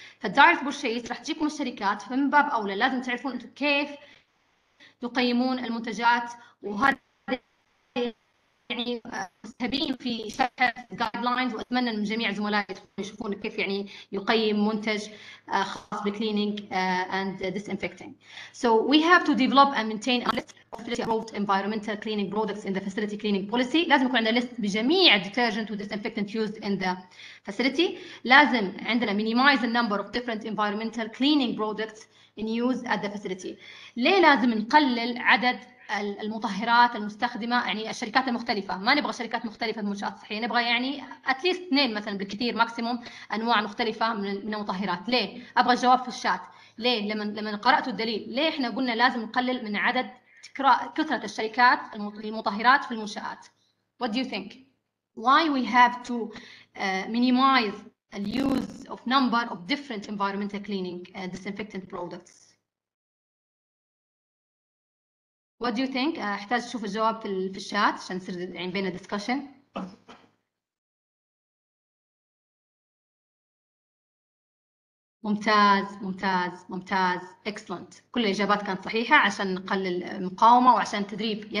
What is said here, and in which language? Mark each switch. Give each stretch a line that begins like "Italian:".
Arabic: فالdirect purchase راح تجيكم الشركات، فمن باب أولى لازم تعرفون أنتم كيف تقيمون المنتجات، وهذا يعني مستهبين في شرح guidelines. وأتمنى من جميع زملائي يشوفون كيف يعني يقيم منتج خاص ب
English: cleaning and disinfecting. So we have to develop and maintain a list of approved environmental cleaning products in the facility cleaning policy.
Arabic: لازم يكون عندنا list بجميع
English: detergent and disinfectant used in the facility.
Arabic: لازم عندنا
English: minimize the number of different environmental cleaning products in use at the facility.
Arabic: ليه لازم نقلل عدد المطهرات المستخدمة، يعني الشركات المختلفة، ما نبغى شركات مختلفة في المنشآت الصحية، نبغى يعني اتليست 2 مثلا بالكثير ماكسيموم انواع مختلفة من المطهرات. ليه؟ ابغى الجواب في الشات. ليه؟ لما قرأت الدليل، ليه احنا قلنا لازم نقلل من عدد كثرة الشركات المطهرات في المنشآت؟
English: What do you think? Why we have to minimize the use of number of different environmental cleaning and disinfectant products? What do you think?
Arabic: أحتاج أشوف الجواب في الشات عشان نصير يعني بينا discussion. ممتاز ممتاز ممتاز excellent. كل الإجابات كانت صحيحة عشان نقلل المقاومة وعشان تدريب.